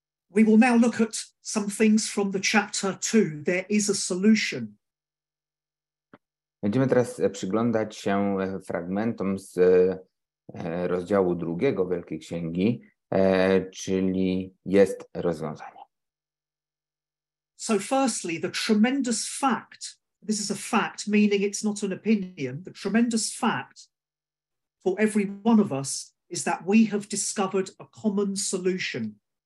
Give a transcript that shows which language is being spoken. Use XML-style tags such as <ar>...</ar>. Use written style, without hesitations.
<en>We will now look at some things from the chapter 2. There is a solution.</en> <pl>Będziemy teraz przyglądać się fragmentom z rozdziału drugiego Wielkiej Księgi, czyli jest rozwiązanie.</pl> <en>So firstly, the tremendous fact, this is a fact, meaning it's not an opinion, the tremendous fact for every one of us is that we have discovered a common solution.</en>